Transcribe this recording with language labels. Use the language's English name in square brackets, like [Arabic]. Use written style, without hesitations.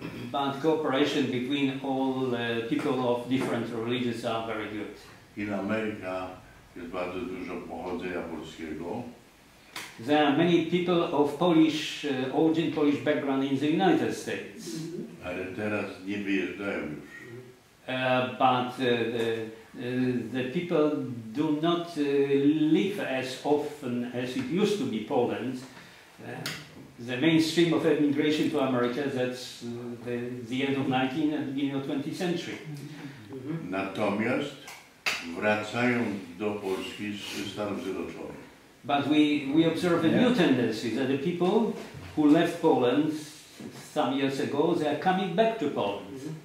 [English] But cooperation between all people of different religions are very good. In America, [Polish] jest bardzo dużo pochodzenia polskiego. [English] There are many people of Polish, origin Polish background in the United States. [Polish] Ale teraz nie wyjeżdżają już. [English] The people do not live as often as it used to be Poland. The mainstream of immigration to America, that's the end of 19th and beginning of 20th century. [Polish] Natomiast wracają do Polski z Stanów Zjednoczonych. [English] But we observe a new tendency, that the people who left Poland some years ago, they are coming back to Poland.